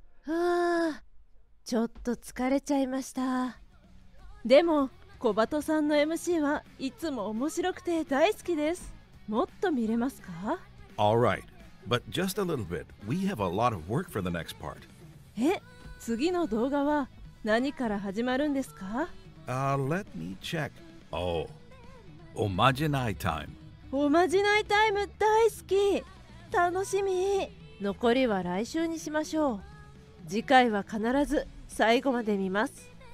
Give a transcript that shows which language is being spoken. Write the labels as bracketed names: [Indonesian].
[Japanese] はあ、ちょっと疲れちゃいました。でも小畑さんの MC はいつも面白くて大好きです。もっと見れますか？ [English] All right, but just a little bit. We have a lot of work for the next part. [Japanese] え、次の動画は何から始まるんですか？ [English] Let me check. [Japanese] Oh, おまじないタイム。おまじないタイム大好き、楽しみ。残りは来週にしましょう。次回は必ず最後まで見ます。